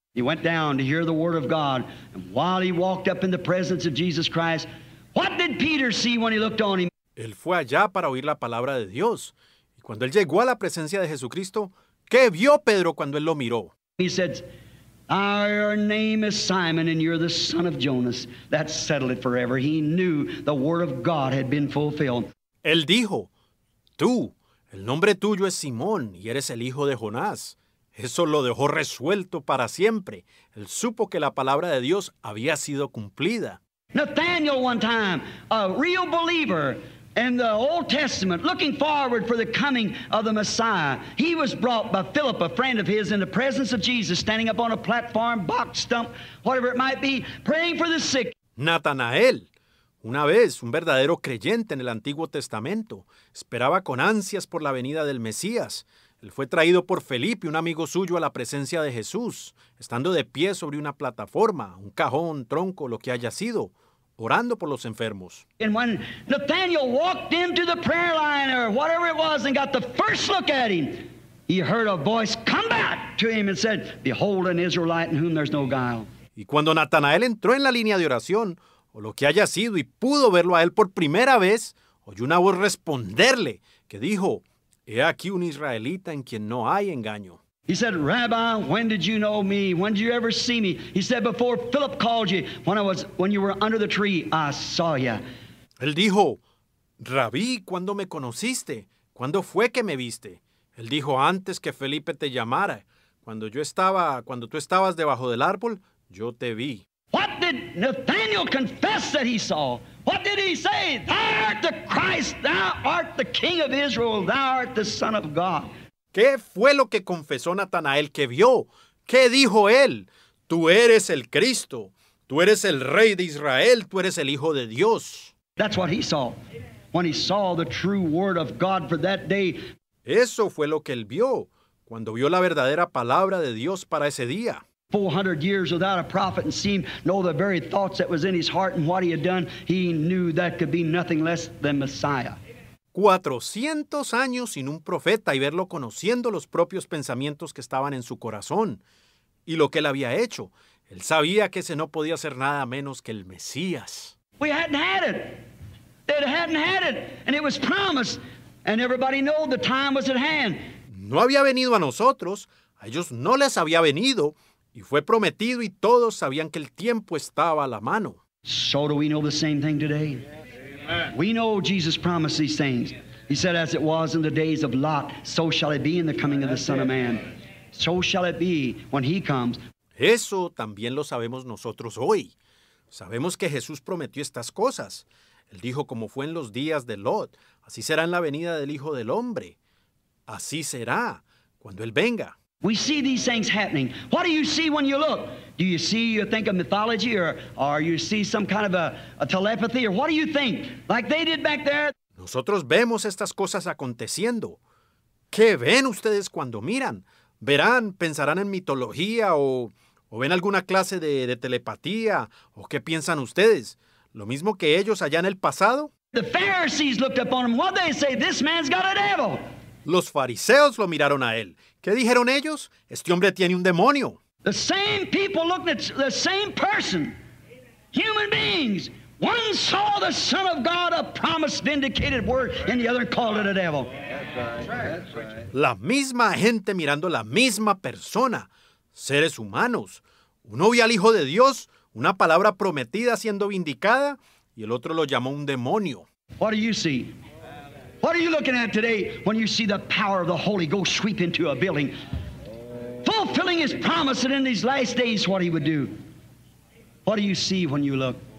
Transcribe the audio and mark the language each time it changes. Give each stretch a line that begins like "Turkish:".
English: He went down to hear the word of God, and while he walked up in the presence of Jesus Christ, what did Peter see when he looked on him?
Spanish: Él fue allá para oír la palabra de Dios. Cuando él llegó a la presencia de Jesucristo, ¿qué vio Pedro cuando él lo miró?
English: He said, "Our name is Simon and you're the son of Jonas." That settled it forever. He knew the word of God had been fulfilled.
Spanish: Él dijo, "Tú, el nombre tuyo es Simón y eres el hijo de Jonás." Eso lo dejó resuelto para siempre. Él supo que la palabra de Dios había sido cumplida.
English: Nathaniel one time, a real believer, in the Old Testament, looking forward for the coming of the Messiah, he was brought by Philip, a friend of his, in the presence of Jesus, standing up on a platform, box, stump, whatever it might be, praying for the sick.
Spanish: Natanael, una vez un verdadero creyente en el Antiguo Testamento, esperaba con ansias por la venida del Mesías. Él fue traído por Felipe, un amigo suyo, a la presencia de Jesús, estando de pie sobre una plataforma, un cajón, tronco, lo que haya sido, orando por los enfermos.
English: And when Nathaniel walked into the prayer line or whatever it was and got the first look at him, he heard a voice come back to him and said, "Behold an Israelite in whom there's no guile."
Spanish: Y cuando Natanael entró en la línea de oración, o lo que haya sido, y pudo verlo a él por primera vez, oyó una voz responderle que dijo, "He aquí un israelita en quien no hay engaño."
English: He said, "Rabbi, when did you know me? When did you ever see me?" He said, "Before Philip called you, when you were under the tree, I saw you."
Spanish: Él dijo, "Rabí, ¿cuándo me conociste? ¿Cuándo fue que me viste?" Él dijo, "Antes que Felipe te llamara, cuando tú estabas debajo del árbol, yo te vi."
English: What did Nathanael confess that he saw? What did he say? "Thou art the Christ, thou art the King of Israel, thou art the Son of God."
Spanish: ¿Qué fue lo que confesó Natanael que vio? ¿Qué dijo él? "Tú eres el Cristo. Tú eres el Rey de Israel. Tú eres el Hijo de Dios."
English: That's what he saw when he saw the true word of God for that day.
Spanish: Eso fue lo que él vio cuando vio la verdadera palabra de Dios para ese día. 400 years without a prophet and seemed to know the very thoughts that was in his heart and what he had done, he knew that could be nothing less than Messiah. 400 años sin un profeta y verlo conociendo los propios pensamientos que estaban en su corazón y lo que él había hecho. Él sabía que ese no podía ser nada menos que el Mesías.
English: We hadn't had it. It hadn't had it. And it was promised. And everybody knew the time was at hand.
Spanish: No había venido a nosotros. A ellos no les había venido. Y fue prometido y todos sabían que el tiempo estaba a la mano.
English: So do we know the same thing today? We know Jesus promised these things. He said, "As it was in the days of Lot, so shall it be in the coming of the Son of Man. So shall it be when he comes."
Spanish: Eso también lo sabemos nosotros hoy. Sabemos que Jesús prometió estas cosas. Él dijo, como fue en los días de Lot, así será en la venida del Hijo del Hombre. Así será cuando él venga.
English: We see these things happening. What do you see when you look? Do you see, you think of mythology, or you see some kind of a telepathy, or what do you think? Like they did back there.
Spanish: Nosotros vemos estas cosas aconteciendo. ¿Qué ven ustedes cuando miran? Verán, pensarán en mitología, o, ¿O ven alguna clase de telepatía? ¿O qué piensan ustedes? ¿Lo mismo que ellos allá en el pasado?
English: The Pharisees looked upon him. What did they say? This man's got a devil.
Spanish: Los fariseos lo miraron a él. ¿Qué dijeron ellos? Este hombre tiene un demonio.
English: The same people looked at the same person. Human beings. One saw the Son of God, a promised, vindicated word, and the other called it a devil.
Spanish: La misma gente mirando la misma persona. Seres humanos. Uno vio al Hijo de Dios, una palabra prometida siendo vindicada, y el otro lo llamó un demonio.
English: What do you see? What are you looking at today when you see the power of the Holy Ghost sweep into a building, fulfilling His promise that in these last days what He would do? What do you see when you look?